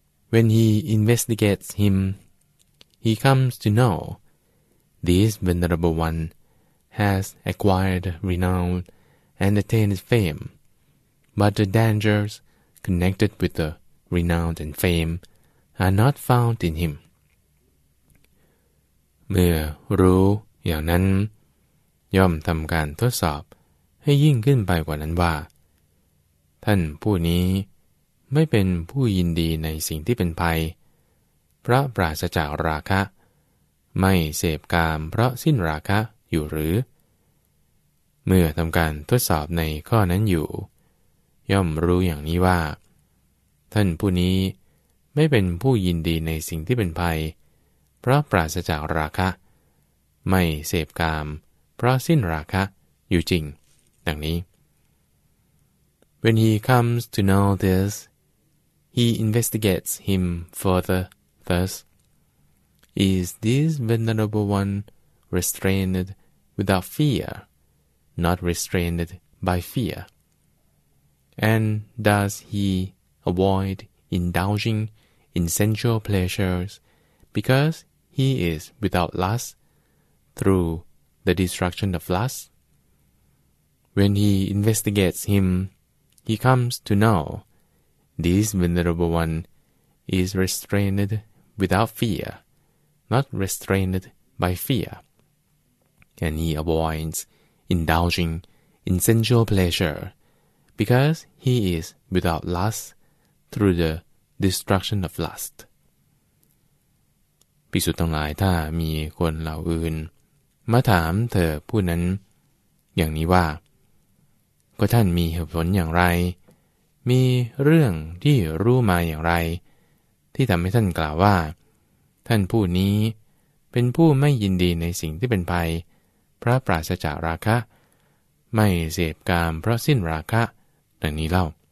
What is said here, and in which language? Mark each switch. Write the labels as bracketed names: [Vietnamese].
[English] When he investigates him, he comes to know this venerable one has acquired renown and attained fame, but the dangers connected with the renown and fame are not found in him. [Thai] เมื่อรู้อย่างนั้นย่อมทำการทดสอบให้ยิ่งขึ้นไปกว่านั้นว่าท่านผู้นี้ไม่เป็นผู้ยินดีในสิ่งที่เป็นภัยเพราะปราศจากราคะไม่เสพกามเพราะสิ้นราคะอยู่หรือ เมื่อทำการทดสอบในข้อนั้นอยู่ย่อมรู้อย่างนี้ว่าท่านผู้นี้ไม่เป็นผู้ยินดีในสิ่งที่เป็นภัยเพราะปราศจากราคะไม่เสพกามเพราะสิ้นราคะอยู่จริงดังนี้ [English] When he comes to know this, he investigates him further, thus, is this venerable one restrained without fear, not restrained by fear? And does he avoid indulging in sensual pleasures because he is without lust through the destruction of lust? When he investigates him,He comes to know this venerable one is restrained without fear, not restrained by fear. And he avoids indulging in sensual pleasure because he is without lust through the destruction of lust. [Thai] ภิกษุทั้งหลายถ้ามีคนเหล่าอื่นมาถามเธอผู้นั้นอย่างนี้ว่าก็ท่านมีเหตุผลอย่างไรมีเรื่องที่รู้มาอย่างไรที่ทำให้ท่านกล่าวว่าท่านผู้นี้เป็นผู้ไม่ยินดีในสิ่งที่เป็นภัยเพราะปราศจากราคะไม่เสพกามเพราะสิ้นราคะดังนี้เล่า